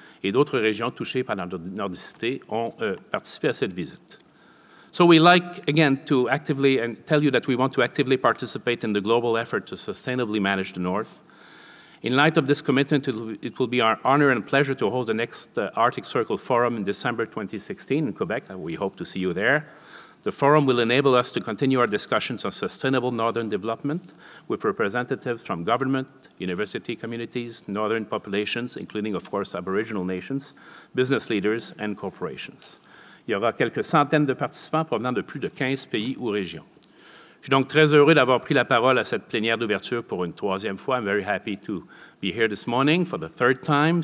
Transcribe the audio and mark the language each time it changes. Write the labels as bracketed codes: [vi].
[fr] et d'autres régions touchées par la nordicité ont participé à cette visite. [en] So we like, again, to actively and tell you that we want to actively participate in the global effort to sustainably manage the North. In light of this commitment, it will be our honor and pleasure to host the next Arctic Circle Forum in December 2016 in Quebec. We hope to see you there. The forum will enable us to continue our discussions on sustainable northern development with representatives from government, university communities, northern populations, including, of course, Aboriginal nations, business leaders, and corporations. [fr] Il y aura quelques centaines de participants provenant de plus de 15 pays ou régions. Je suis donc très heureux d'avoir pris la parole à cette plénière d'ouverture pour une troisième fois. [en] I'm very happy to be here this morning for the third time.